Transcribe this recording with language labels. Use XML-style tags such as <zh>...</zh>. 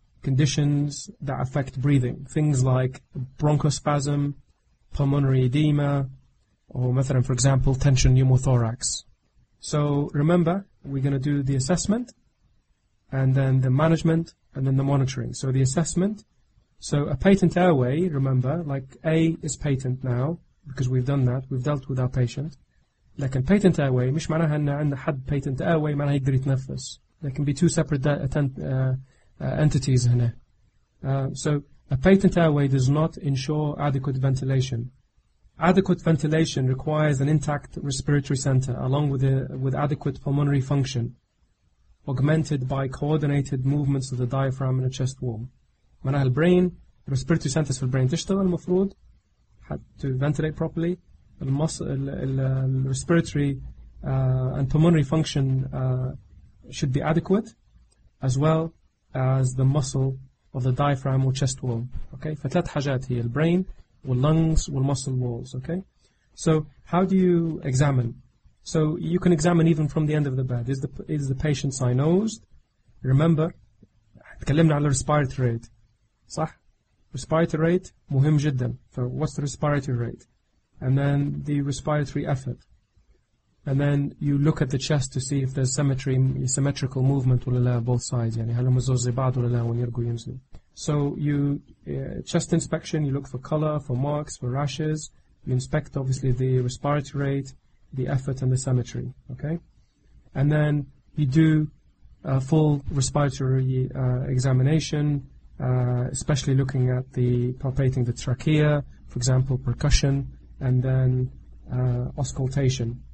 <en>conditions that affect breathing, things like bronchospasm, pulmonary edema, or methadone, for example, tension pneumothorax. So remember, we're going to do the assessment, and then the management, and then the monitoring. So the assessment, so a patent airway, remember, like A is patent now, because we've done that, we've dealt with our patient.</en> <ar>لكن patent airway, مش معناها أن عند حد patent airway معناها يقدر يتنفس.</ar> <en>There can be two separate entities هنا. So a patent airway does not ensure adequate ventilation. Adequate ventilation requires an intact respiratory center along with adequate pulmonary function, augmented by coordinated movements of the diaphragm and the chest wall.</en> <ar>معناها البرين,</ar> <en>the respiratory centers</en> <ar>في البرين تشتغل المفروض</ar> <en>to ventilate properly. The respiratory and pulmonary function should be adequate, as well as the muscle of the diaphragm or chest wall. Okay, for three things here: the brain, the lungs, the muscle walls. Okay, so how do you examine? So you can examine even from the end of the bed. Is the patient cyanosed? Remember,</en> <ar>تكلمنا على</ar> <en>respiratory rate. صح. Respiratory rate</en> <ar>مهم جدا.</ar> <en>So what's the respiratory rate? And then the respiratory effort. And then you look at the chest to see if there's symmetrical movement</en> <ar>ولا لا</ar> <en>both sides.</en> <ar>يعني هل مزوز بعض ولا لا when يرجو ينزل.</ar> <en>So you chest inspection. You look for color, for marks, for rashes. You inspect obviously the respiratory rate, the effort, and the symmetry. Okay. And then you do a full respiratory examination. Especially looking at the palpating the trachea, for example, percussion, and then auscultation.</en>